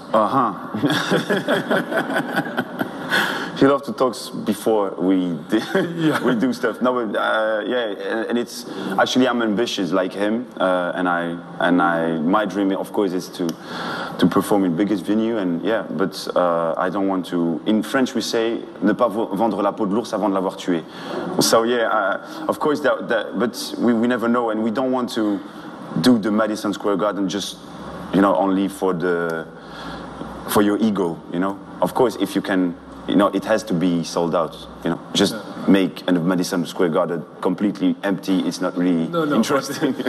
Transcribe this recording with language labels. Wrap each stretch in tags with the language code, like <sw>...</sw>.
<en>Uh-huh. He loves to talk before we do stuff. No, but and it's actually I'm ambitious like him, and my dream of course is to perform in biggest venue and yeah. But I don't want to. In French we say</en> <fr>ne pas vendre la peau de l'ours avant de l'avoir tué.</fr> <en>So yeah, of course that. But we never know, and we don't want to do the Madison Square Garden just, you know, only for your ego. You know, of course if you can. You know, it has to be sold out, you know. Just make a Madison Square Garden completely empty, it's not really interesting.</en>